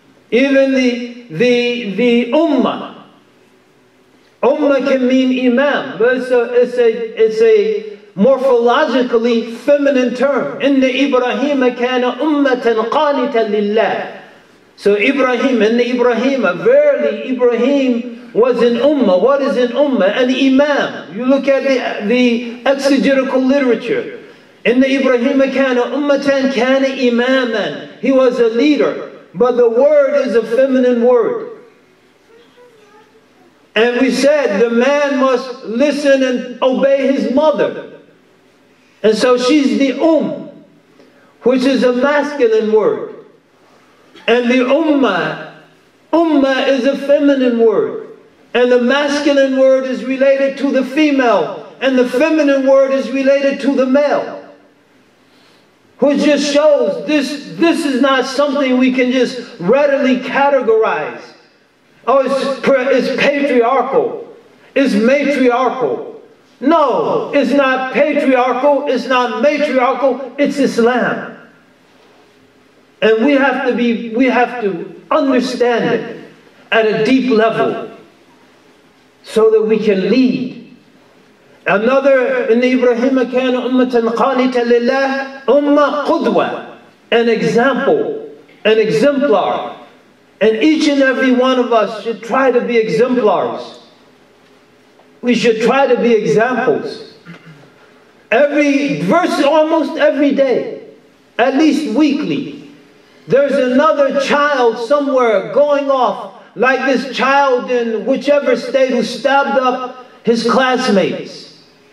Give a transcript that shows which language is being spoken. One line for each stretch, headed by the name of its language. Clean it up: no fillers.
English: Even the ummah can mean imam, but it's a morphologically feminine term.
Arabic: Inna Ibrahim kana ummatan qanitan lillah.
English: So Ibrahim, inna Ibrahim, verily Ibrahim was an ummah. What is an ummah? An imam. You look at the exegetical literature.
Arabic: إن إبراهيم كان أمة كان إماما.
English: He was a leader. But the word is a feminine word. And we said the man must listen and obey his mother. And so she's the which is a masculine word. And the ummah is a feminine word. And the masculine word is related to the female. And the feminine word is related to the male. Which just shows this is not something we can just readily categorize. Oh, it's patriarchal. It's matriarchal. No, it's not patriarchal. It's not matriarchal. It's Islam. And we have to understand it at a deep level so that we can lead.
Arabic: Another in Ibrahim كان أمّة قانتة لله أمّة قدوة,
English: an example, an exemplar. And each and every one of us should try to be exemplars. We should try to be examples. Every verse, almost every day, at least weekly, there's another child somewhere going off like this child in whichever state who stabbed up his classmates.